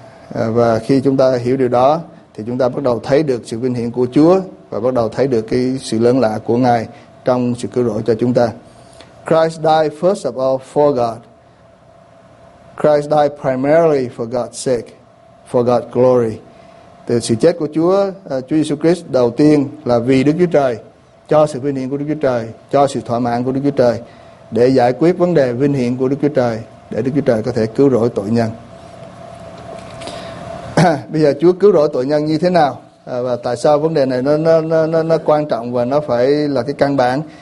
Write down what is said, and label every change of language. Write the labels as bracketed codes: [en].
[vi] Và khi chúng ta hiểu điều đó thì chúng ta bắt đầu thấy được sự vinh hiển của Chúa, và bắt đầu thấy được cái sự lớn lạ của Ngài trong sự cứu rỗi cho chúng ta. [en] Christ died first of all for God. Christ died primarily for God's sake, for God's glory. [vi] Từ sự chết của Chúa Jesus Christ đầu tiên là vì Đức Chúa Trời, cho sự vinh hiển của Đức Chúa Trời, cho sự thỏa mãn của Đức Chúa Trời, để giải quyết vấn đề vinh hiển của Đức Chúa Trời, để Đức Chúa Trời có thể cứu rỗi tội nhân. Bây giờ Chúa cứu rỗi tội nhân như thế nào? Và tại sao vấn đề này nó quan trọng và nó phải là cái căn bản?